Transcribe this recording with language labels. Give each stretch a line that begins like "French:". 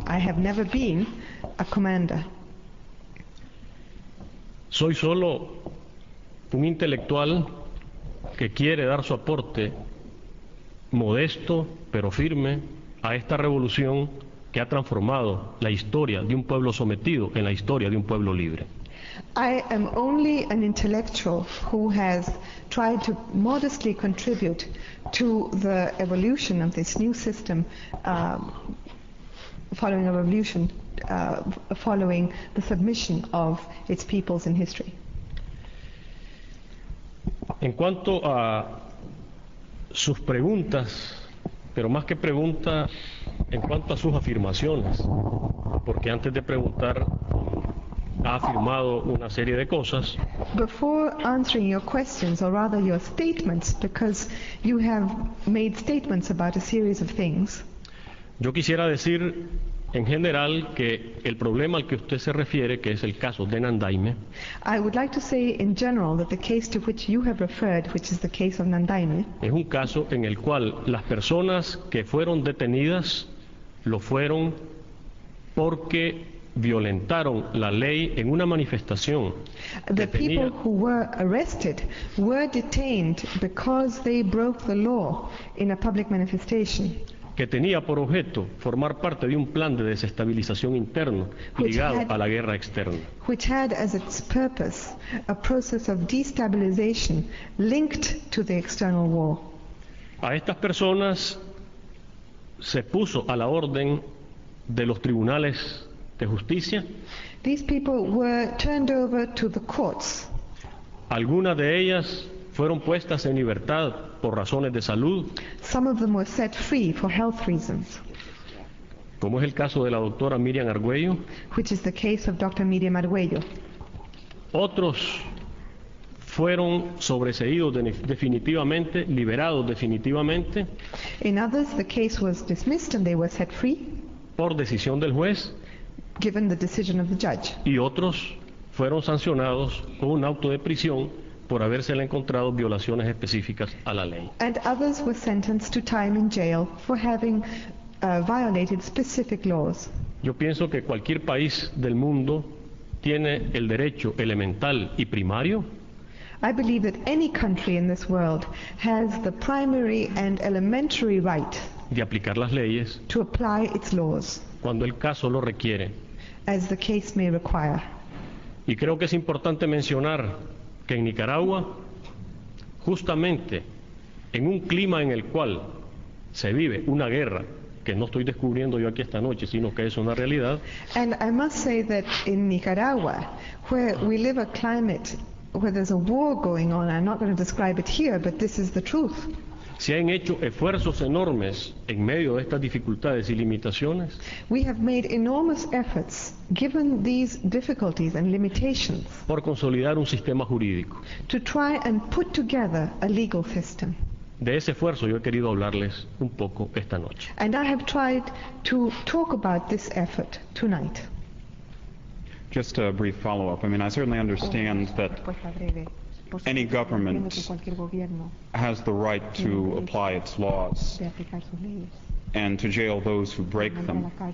English: I have never been a commander.
Spanish: Soy solo un intelectual que quiere dar su aporte modesto pero firme a esta revolución que ha transformado la historia de un pueblo sometido en la historia de un pueblo libre.
English: I am only an intellectual who has tried to modestly contribute to the evolution of this new system following a revolution following the submission of its peoples in history.
Spanish: En cuanto a sus preguntas, pero más que preguntas, en cuanto a sus afirmaciones, porque antes de preguntar ha afirmado una serie de cosas.
English: Before answering your questions, or rather your statements, because you have made statements about a series of things.
Spanish: Yo quisiera decir en general que el problema al que usted se refiere, que es el caso de Nandaime.
English: I would like to say in general that the case to which you have referred, which is the case of Nandaime,
Spanish: es un caso en el cual las personas que fueron detenidas lo fueron porque violentaron la ley en una manifestación.
English: The people who were arrested were detained because they broke the law in a public manifestation.
Spanish: Que tenía por objeto formar parte de un plan de desestabilización interno ligado a la guerra externa.
English: Which had as its purpose a process of destabilization linked to the external war.
Spanish: A estas personas se puso a la orden de los tribunales de justicia.
English: These people were turned over to the courts.
Spanish: Algunas de ellas fueron puestas en libertad por razones de salud.
English: Some of them were set free for health reasons.
Spanish: Como es el caso de la doctora Miriam Argüello.
English: Which is the case of Dr. Miriam Argüello.
Spanish: Otros fueron sobreseídos definitivamente, liberados definitivamente.
English: In others, the case was dismissed and they were set free.
Spanish: Por decisión del juez.
English: Given the decision of the judge.
Spanish: Y otros fueron sancionados con un auto de prisión por haberse encontrado violaciones específicas a la ley.
English: And others were sentenced to time in jail for having violated specific laws.
Spanish: Yo pienso que cualquier país del mundo tiene el derecho elemental y primario.
English: I believe that any country in this world has the primary and elementary right
Spanish: de aplicar las leyes
English: to apply its laws
Spanish: cuando el caso lo requiere.
English: As the case may require.
Spanish: Y creo que es importante mencionar que en Nicaragua, justamente en un clima en el cual se vive una guerra, que no estoy descubriendo yo aquí esta noche, sino que es una realidad.
English: And I must say that in Nicaragua, where we live a climate where there's a war going on, I'm not going to describe it here, but this is the truth.
Spanish: Se han hecho esfuerzos enormes en medio de estas dificultades y limitaciones.
English: We have made enormous efforts, given these difficulties and limitations,
Spanish: por consolidar un sistema jurídico.
English: To try and put together a legal system.
Spanish: De ese esfuerzo yo he querido hablarles un poco esta noche.
English: And I have tried to talk about this effort tonight. Just a brief follow-up. I mean, I certainly understand that any government has the right to apply its laws and to jail those who break them.